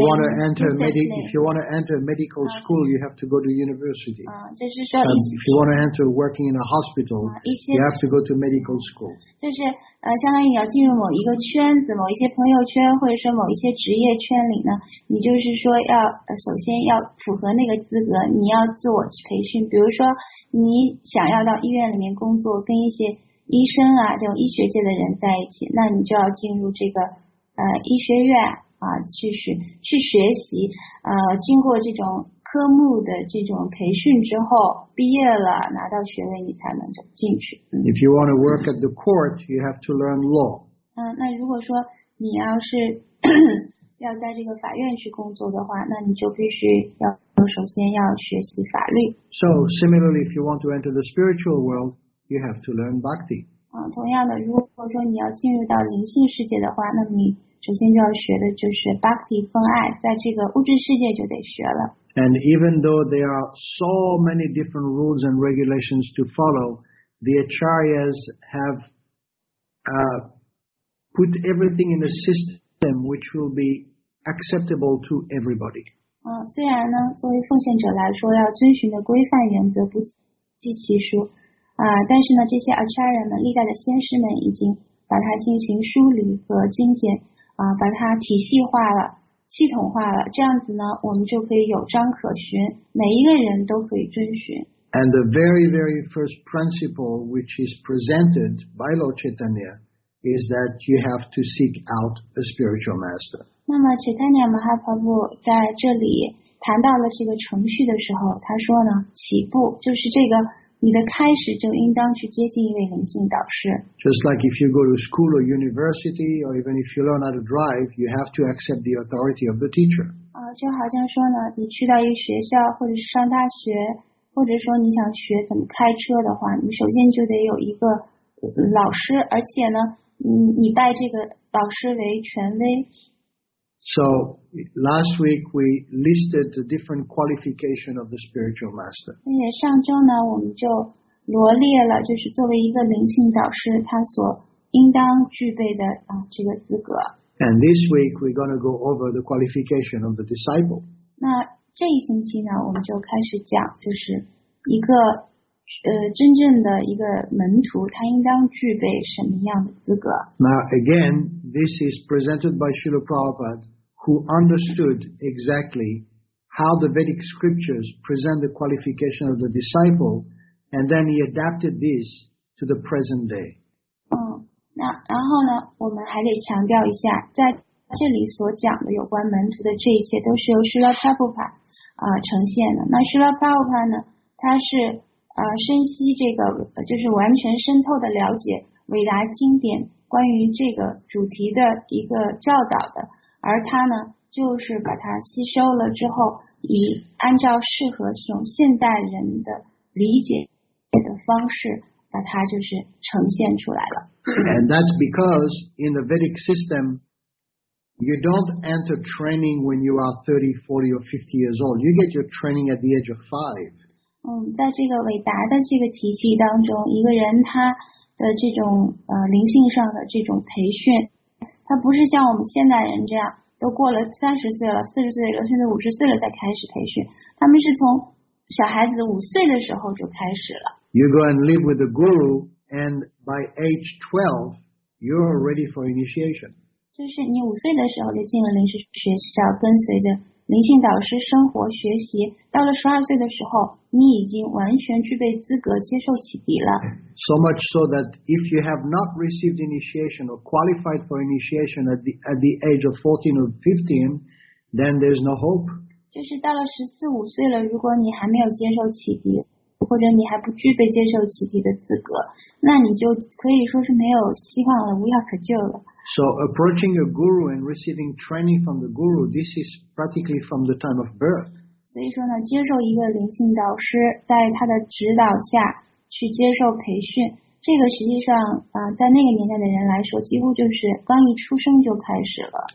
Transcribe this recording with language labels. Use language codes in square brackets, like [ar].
[en] if you want to enter a medical school, you have to go to university. [zh] 就是说 [en] if you want to enter working in a hospital, you have to go to medical school. [zh] 就是相当于你要进入某一个圈子，某一些朋友圈，或者说某一些职业圈里呢，你就是说要首先要符合那个资格，你要自我培训。比如说你想要到医院里面工作，跟一些医生啊，这种医学界的人在一起，那你就要进入这个医学院去学习，经过这种科目的这种培训之后，毕业了拿到学位，你才能进去。 [en] If you want to work at the court, you have to learn law. [zh] 那如果说你要是要在这个法院去工作的话，那你就必须要首先要学习法律。 [en] So similarly, if you want to enter the spiritual world, you have to learn bhakti. [zh] 同样的，如果说你要进入到灵性世界的话，那你首先就要学的就是 bhakti 分爱，在这个物质世界就得学了。 [en] And even though there are so many different rules and regulations to follow, the acharyas have put everything in a system which will be acceptable to everybody. [zh] 虽然呢，作为奉献者来说，要遵循的规范原则不计其数。但是呢，这些 acharya 们，历代的先师们已经把它进行梳理和精简，把它体系化了，系统化了，这样子呢，我们就可以有章可循，每一个人都可以遵循。 [en] And the very, very first principle which is presented by Lord Chaitanya is that you have to seek out a spiritual master. [zh] 那么 Chaitanya Mahaprabhu 在这里谈到了这个程序的时候，他说呢，起步就是这个。你的开始就应当去接近一位灵性导师。 [en] Just like if you go to school or university, or even if you learn how to drive, you have to accept the authority of the teacher. [zh] 就好像说呢，你去到一个学校，或者是上大学，或者说你想学怎么开车的话，你首先就得有一个老师，而且呢，你拜这个老师为权威。 [en] So last week we listed the different qualification of the spiritual master. [zh] 上周呢，我们就罗列了，就是作为一个灵性导师，他所应当具备的这个资格。 [en] And this week we're going to go over the qualification of the disciple. [zh] 那这一星期呢，我们就开始讲，就是一个真正的一个门徒，他应当具备什么样的资格。 [en] Now again, this is presented by Srila Prabhupada, who understood exactly how the Vedic scriptures present the qualification of the disciple, and then he adapted this to the present day. [zh] 然后呢，我们还得强调一下，在这里所讲的有关门徒的这一切，都是由 Srila Prabhupada 呈现的。那 Srila Prabhupada 呢，他是深悉这个，就是完全深透的了解伟大经典关于这个主题的一个教导的，而他呢，就是把它吸收了之后，以按照适合这种现代人的理解的方式，把它就是呈现出来了。 [en] And that's because in the Vedic system, you don't enter training when you are 30, 40 or 50 years old. You get your training at the age of 5. [zh] 在这个伟达的这个体系当中，一个人他的这种灵性上的这种培训，他不是像我们现代人这样都过了30岁了、40岁了，甚至50岁了再开始培训，他们是从小孩子5岁的时候就开始了。 [en] You go and live with the guru, and by age 12, you're ready for initiation. [zh] 就是你五岁的时候就进了灵师学校，跟随着灵性导师生活学习。到了十二岁的时候，你已经完全具备资格接受启迪了。 [en] So much so that if you have not received initiation or qualified for initiation at the age of 14 or 15, then there's no hope. [zh] 就是到了十四五岁了，如果你还没有接受启迪。或者你还不具备接受启迪的资格，那你就可以说是没有希望了，无药可救了。 [en] So approaching a guru and receiving training from the guru, this is practically from the time of birth. [zh] 所以说呢，接受一个灵性导师，在他的指导下去接受培训，这个实际上，在那个年代的人来说，几乎就是刚一出生就开始了。